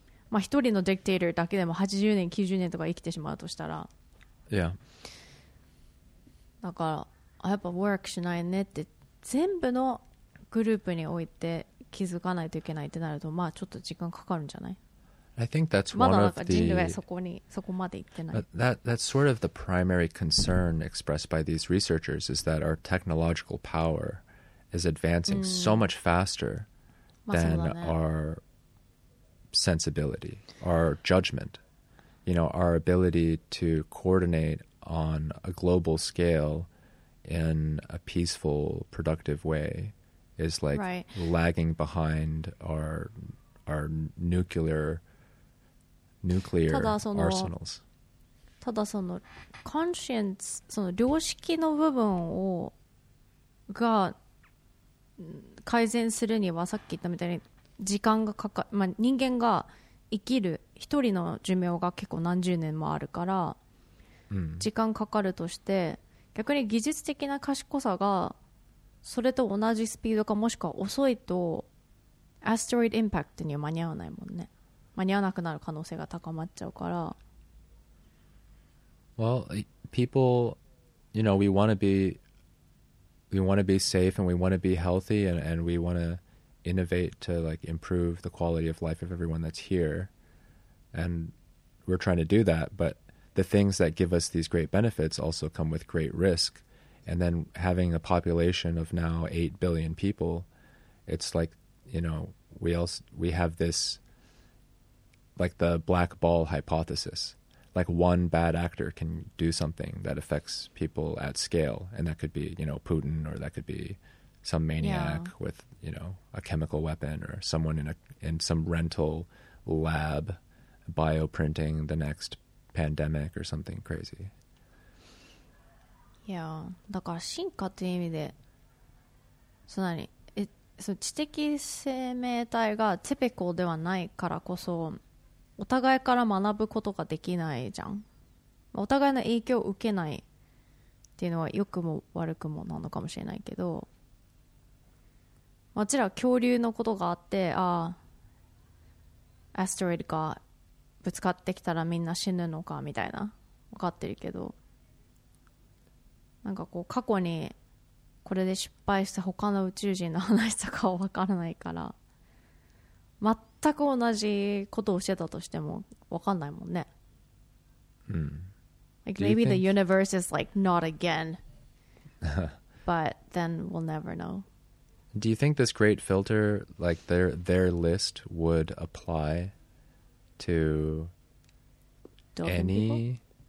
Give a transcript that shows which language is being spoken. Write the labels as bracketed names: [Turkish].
[Japanese] まあ一人のディクテーターだけでも80年、90年とか生きてしまうとしたら。いや。だから、やっぱワークしないねって全部のグループにおいて気づかないといけないってなると、まあちょっと時間かかるんじゃない。 [English] I think that's [Japanese] まだなんか人類はそこまで行ってない。 [English] That's sort of the primary concern expressed by these researchers is that our technological power is advancing so much faster than our sensibility, our judgment, you know, our ability to coordinate on a global scaleIn a peaceful, productive way, is like lagging behind our nuclear arsenals. [Japanese] ただその conscience、その良識の部分をが改善するには、さっき言ったみたいに時間がかか、まあ人間が生きる一人の寿命が結構何十年もあるから、時間かかるとして。逆に技術的な賢さがそれと同じスピードかもしくは遅いとアステロイドインパクトには間に合わないもんね。間に合わなくなる可能性が高まっちゃうから。 [English] Well, people, you know, we want to be safe and we want to be healthy and we want to innovate to like improve the quality of life of everyone that's here. And we're trying to do that, but the things that give us these great benefits also come with great risk. And then having a population of now 8 billion people, it's like, you know, we have this, like the black ball hypothesis, like one bad actor can do something that affects people at scale. And that could be, you know, Putin, or that could be some maniac with, you know, a chemical weapon, or someone in some rental lab bioprinting the next pandemic or something crazy. Yeah, [Japanese] だから進化という意味で、そのに、その知的生命体がテペコではないからこそ、お互いから学ぶことができないじゃん。お互いの影響を受けないっていうのは良くも悪くもなのかもしれないけど、もちろん恐竜のことがあって、ああ、アステロイドか。ぶつかってきたらみんな死ぬのかみたいな、分かってるけど、なんかこう過去にこれで失敗した他の宇宙人の話とかは分からないから、全く同じことをしてたとしても分かんないもんね。うん、 [English] like maybe the universe is like not again but then we'll never know. Do you think this great filter, like their list would applyto dolphin any people?